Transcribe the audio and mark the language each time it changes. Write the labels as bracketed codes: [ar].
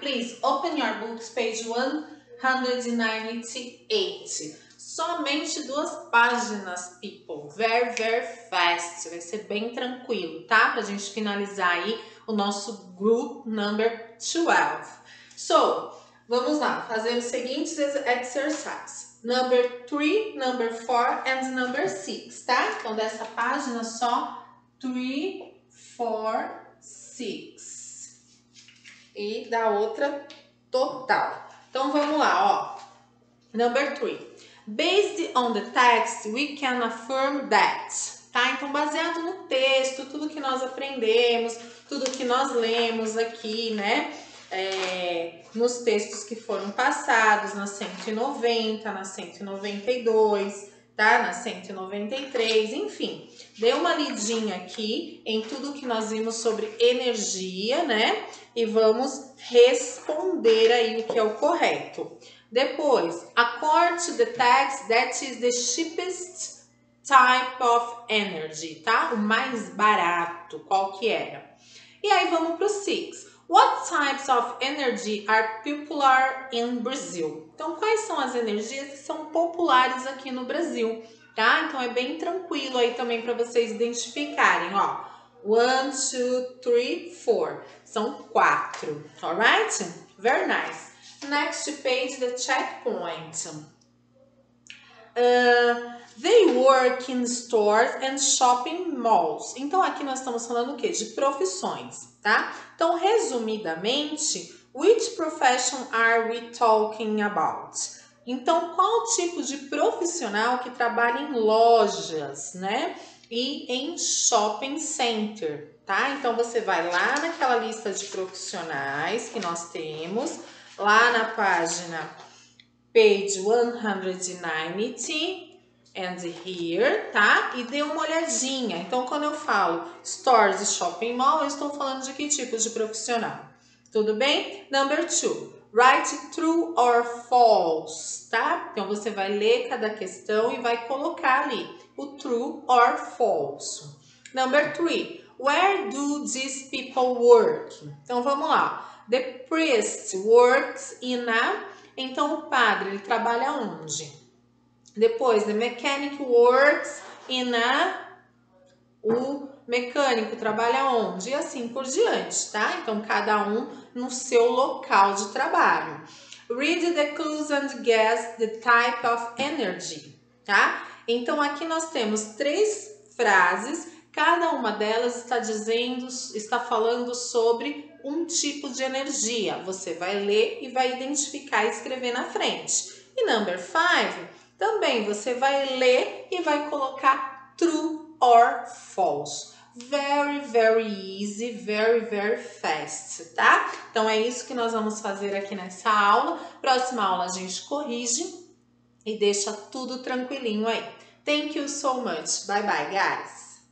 [en] Please open your books, page 198. [pt] Somente duas páginas, [en] people. Very, very fast. [pt] Vai ser bem tranquilo, tá? Pra gente finalizar aí o nosso group number 12. So, vamos lá. Fazer os seguintes exercises. [en] Number 3, number 4 and number 6, tá? [pt] Então, dessa página só, 3, 4, 6. E da outra total. Então vamos lá, ó. Number 3. [en] Based on the text, we can affirm that. [pt] Tá? Então, baseado no texto, tudo que nós aprendemos, tudo que nós lemos aqui, né? Nos textos que foram passados, na 190, na 192. Tá? Na 193, enfim. Dê uma lidinha aqui em tudo que nós vimos sobre energia, né? E vamos responder aí o que é o correto. [en] Depois, according to the text, that is the cheapest type of energy, tá? [pt] O mais barato, qual que era? E aí vamos pro 6. [en] What types of energy are popular in Brazil? [pt] Então, quais são as energias que são populares aqui no Brasil, tá? Então, é bem tranquilo aí também para vocês identificarem, ó. [en] 1, 2, 3, 4. [pt] São 4, [en] alright? Very nice. Next page, the checkpoint. They work in stores and shopping malls. [pt] Então, aqui nós estamos falando o quê? De profissões, tá? Então, resumidamente, [en] which profession are we talking about? [pt] Então, qual tipo de profissional que trabalha em lojas, né? E em shopping center, tá? Então, você vai lá naquela lista de profissionais que nós temos, lá na página, [en] page 190, and here, [pt] tá? E dê uma olhadinha. Então, quando eu falo stores e shopping mall, eu estou falando de que tipo de profissional. Tudo bem? Number 2. Write true or false, tá? Então, você vai ler cada questão e vai colocar ali o true or false. [en] Number 3. Where do these people work? [pt] Então, vamos lá. [en] The priest works in a... [pt] Então, o padre, ele trabalha onde? Depois, [en] the mechanic works in a... [pt] O mecânico trabalha onde? E assim por diante, tá? Então, cada um no seu local de trabalho. [en] Read the clues and guess the type of energy, tá? [pt] Então, aqui nós temos 3 frases. Cada uma delas está dizendo, está falando sobre um tipo de energia. Você vai ler e vai identificar e escrever na frente. E number 5... Também você vai ler e vai colocar true or false. [en] Very, very easy, very, very fast, tá? [pt] Então, é isso que nós vamos fazer aqui nessa aula. Próxima aula a gente corrige e deixa tudo tranquilinho aí. [en] Thank you so much. Bye, bye, guys.